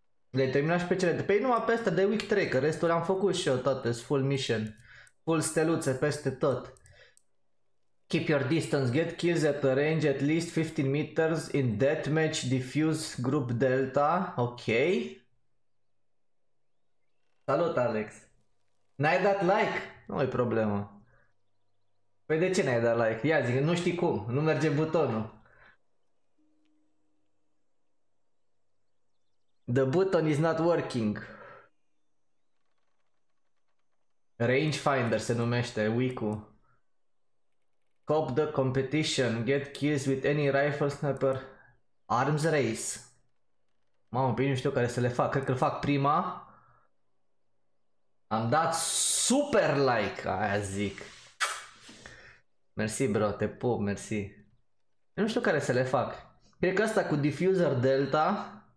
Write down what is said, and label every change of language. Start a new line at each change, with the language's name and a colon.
Romanian: Le-ai terminat și pe cele de pe ei, numai pe astea de
English: week tracker,
Romanian: restul le-am făcut și eu toate,
English: full mission,
Romanian: full steluțe peste tot.
English: Keep your distance, get kills at a range at least 15 meters in deathmatch, diffuse group delta, ok.
Romanian: Salut, Alex. N-ai dat like? Nu e problemă. Păi de ce n-ai dat like? Ia zic, nu știi cum, nu merge butonul.
English: The button is not working. Rangefinder
Romanian: se numește,
English: Wiku. Cop the competition, get kills with any rifle sniper. Arms race.
Romanian: Mamă, bine, nu știu care să le fac, cred că îl fac prima. Am dat super like, aia zic. Mersi bro, te pup, mersi. Nu știu care să le fac. Cred că asta cu diffuser delta.